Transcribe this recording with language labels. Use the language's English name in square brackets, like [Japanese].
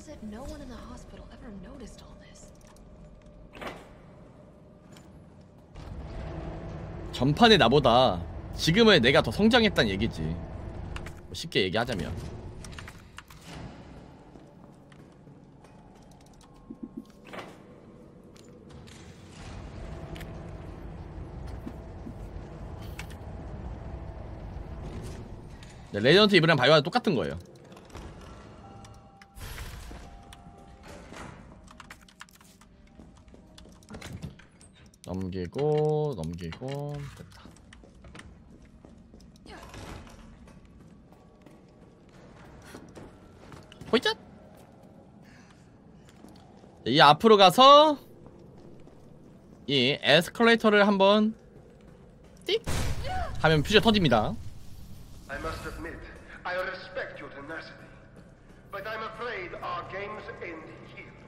[English] No one in the hospital ever noticed all this. [Korean] 전판의 나보다 지금의 내가 더 성장했단 얘기지. 쉽게 얘기하자면. 레전드 이브랑 바이오하자드 똑같은 거예요. 넘기고 넘기고 됐다. 호이짓. 이 앞으로 가서 이 에스컬레이터를 한번 띡 하면 퓨즈 터집니다. [English] I must admit, I respect your tenacity, but I'm afraid our games end here.